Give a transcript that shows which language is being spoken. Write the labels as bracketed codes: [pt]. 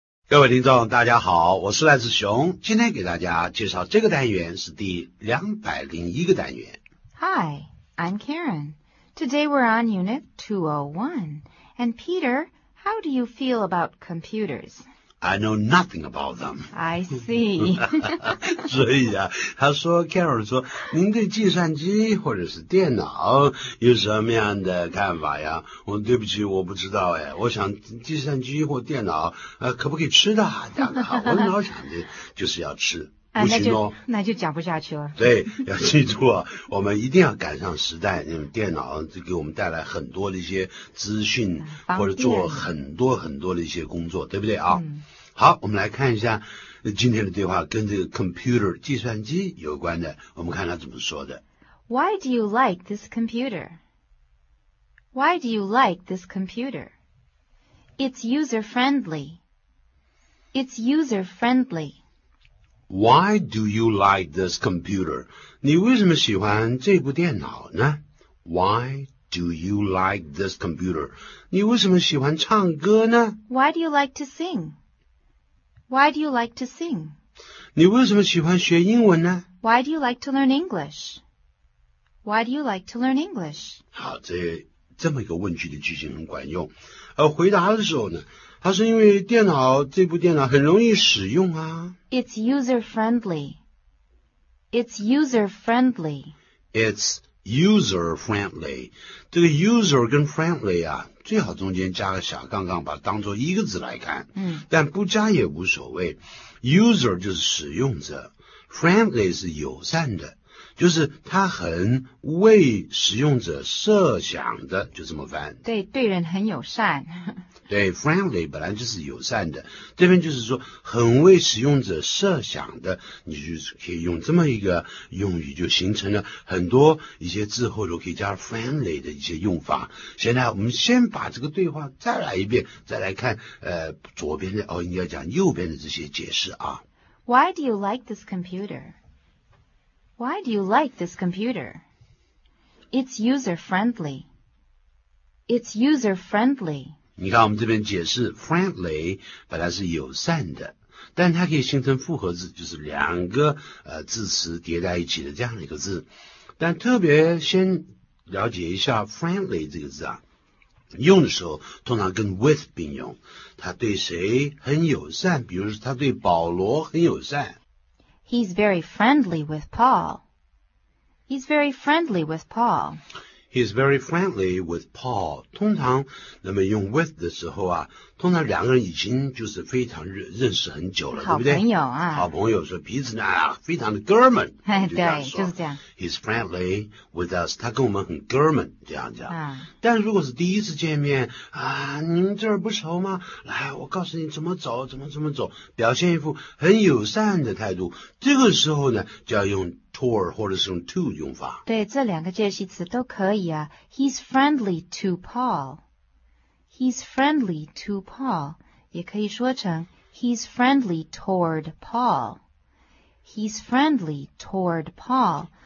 [zh] 各位听众大家好，我是赖志雄，今天给大家介绍这个单元是第201个单元。 [en] Hi, I'm Karen. Today we're on Unit 201. And Peter, how do you feel about computers? I know nothing about them. I see. [zh] 所以啊，他说 Karen 说，您对计算机或者是电脑有什么样的看法呀？我说对不起，我不知道哎。我想计算机或电脑，可不可以吃的？这样好，我老想的就是要吃。啊、不行哦，那就讲不下去了。对，要记住啊，我们一定要赶上时代，因为电脑就给我们带来很多的一些资讯，或者做很多很多的一些工作，对不对啊、嗯？好，我们来看一下今天的对话跟这个 computer 计算机有关的，我们看他怎么说的。 [en] Why do you like this computer? Why do you like this computer? It's user friendly. It's user friendly. Why do you like this computer? [zh] 你为什么喜欢这部电脑呢? [en] Why do you like this computer? [zh] 你为什么喜欢唱歌呢? [en] Why do you like to sing? Why do you like to sing? [zh] 你为什么喜欢学英文呢? [en] Why do you like to learn English? Why do you like to learn English? [zh] 好，这么一个问句的句型很管用。回答的时候呢，它是因为电脑，这部电脑很容易使用啊。 [en] It's user friendly. It's user friendly. It's user friendly. [zh] 这个 user 跟 friendly 啊，最好中间加个小杠杠，把它当作一个字来看。嗯。但不加也无所谓。 User 就是使用者 ，friendly 是友善的，就是它很为使用者设想的，就这么翻。对，对人很友善。对 ，friendly 本来就是友善的，这边就是说很为使用者设想的，你就可以用这么一个用语，就形成了很多一些字后都可以加 friendly 的一些用法。现在我们先把这个对话再来一遍，再来看左边的哦，应该讲右边的这些解释啊。 Why do you like this computer? Why do you like this computer? It's user friendly. It's user friendly. 你看我们这边解释 friendly 本来是友善的，但它可以形成复合字，就是两个字词叠在一起的这样的一个字。但特别先了解一下 friendly 这个字啊，用的时候通常跟 with 并用，它对谁很友善，比如说它对保罗很友善。 [en] He's very friendly with Paul. He's very friendly with Paul. He's very friendly with Paul. [zh] 通常那么用 with 的时候啊，通常两个人已经就是非常认识很久了，对不对？好朋友啊。好朋友说彼此呢非常的哥们。对，就是这样。 [en] He's friendly with us. [zh] 他跟我们很哥们，这样讲。啊。但如果是第一次见面啊，你们这儿不熟吗？来，我告诉你怎么走，怎么走，表现一副很友善的态度。这个时候呢就要用Toward 或者是用 to 用法，对，这两个介系词都可以啊。 [en] He's friendly to Paul. He's friendly to Paul. [zh] 也可以说成 [en] He's friendly toward Paul. He's friendly toward Paul.